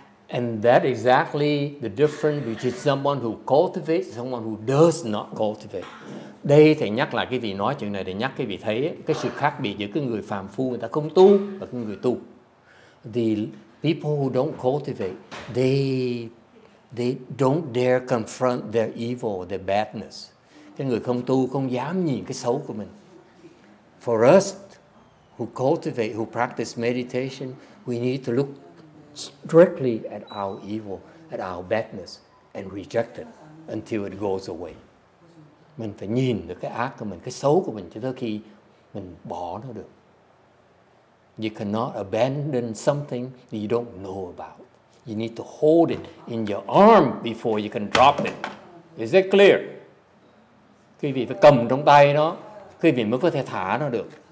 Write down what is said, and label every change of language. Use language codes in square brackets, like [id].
[en] And that exactly the difference between someone who cultivates, someone who does not cultivate. [vi] Đây thầy nhắc lại cái vị nói chuyện này để nhắc cái vị thấy cái sự khác biệt giữa cái người phàm phu người ta không tu và cái người tu. [en] The people who don't cultivate, they don't dare confront their evil, their badness. [vi] Cái người không tu không dám nhìn cái xấu của mình. [en] For us who cultivate, who practice meditation, we need to look strictly at our evil, at our badness, and reject it until it goes away. [vi] Mình phải nhìn được cái ác của mình, cái xấu của mình cho tới khi mình bỏ nó được. [en] You cannot abandon something that you don't know about. You need to hold it in your arm before you can drop it. Is that clear? [vi] Quý vị phải cầm trong tay nó, quý vị mới có thể thả nó được.